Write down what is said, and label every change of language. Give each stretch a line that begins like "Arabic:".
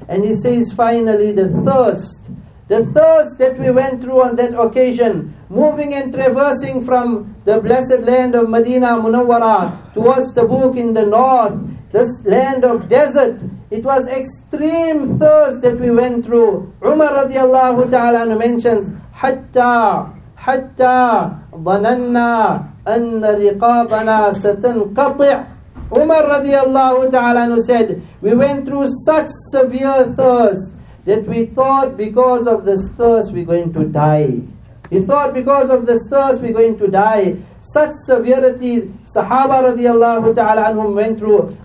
English: And he says, finally, the thirst that we went through on that occasion, moving and traversing from the blessed land of Medina Munawwara towards Tabuk in the north, This land of desert, it was extreme thirst that we went through.
Arabic: Umar radiallahu ta'ala
English: mentions,
Arabic: حَتَّى ظَنَنَّا أَنَّ رِقَابَنَا سَتَنْقَطِعُ.
English: Umar radiallahu ta'ala said, we went through such severe thirst that we thought because of this thirst we're going to die. He thought because of this thirst we're going to die. Such severity Sahaba radiallahu ta'ala anhum went through.